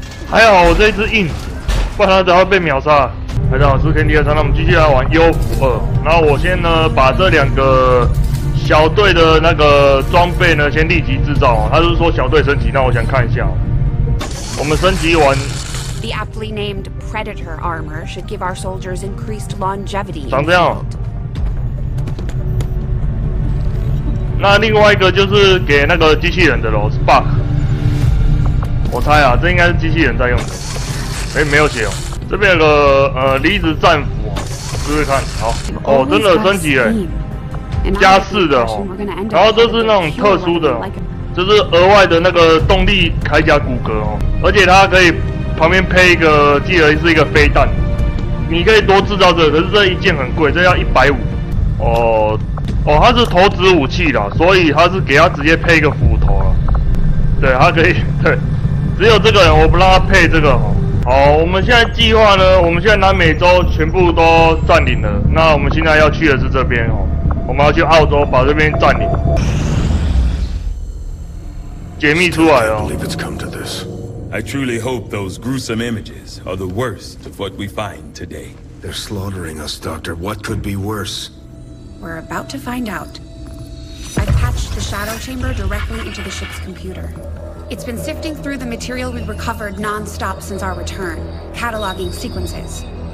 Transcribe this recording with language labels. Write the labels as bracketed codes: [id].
[zh] 还好我这一只硬，不然都要被秒杀。大家好，我是天地二三，那我们继续来玩幽浮二。然后我先呢把这两个小队的那个装备呢先立即制造。他是说小队升级，那我想看一下。我们升级完。 [en] The aptly named Predator armor should give our soldiers increased longevity. [zh] 长这样。那另外一个就是给那个机器人的喽 ，Spark。我猜啊，这应该是机器人在用的。哎，没有血哦。这边有个离子战斧，试试看。好，哦，真的升级了，加四的哦。然后这是那种特殊的，就是额外的那个动力铠甲骨骼哦，而且它可以旁边配一个，记得是一个飞弹。你可以多制造这个，可是这一件很贵，这要150。哦。哦，它是投掷武器啦，所以它是给它直接配一个斧头啦，对，它可以，对，只有这个人我不让它配这个哦。好，我们现在计划呢，我们现在南美洲全部都占领了，那我们现在要去的是这边哦，我们要去澳洲把这边占领，解密出来了。 [en] I believe it's come to this. I truly hope those gruesome images are the worst of what we find today. They're slaughtering us, Doctor. What could be worse? We're about to find out. I've patched the shadow chamber directly into the ship's computer. It's been sifting through the material we've recovered non-stop since our return, cataloging sequences.